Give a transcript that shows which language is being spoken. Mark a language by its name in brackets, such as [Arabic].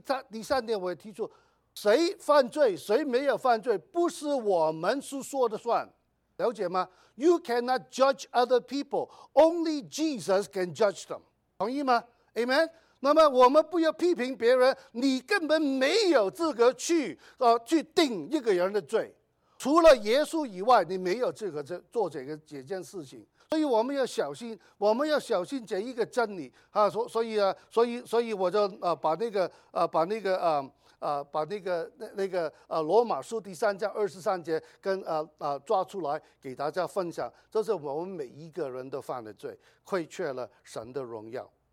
[Chinese] 第三点，我也提出。谁犯罪谁没有犯罪不是我们是说的算，了解吗？ [English] You cannot judge other people, only Jesus can judge them， [Chinese] 同意吗？ [English] Amen。 [Chinese] 那么我们不要批评别人，你根本没有资格去定一个人的罪，除了耶稣以外，你没有资格做这件事情。所以我们要小心，我们要小心这一个真理啊。所以我就把罗马书3:23跟抓出来给大家分享，这是我们每一个人都犯的罪，亏缺了神的荣耀。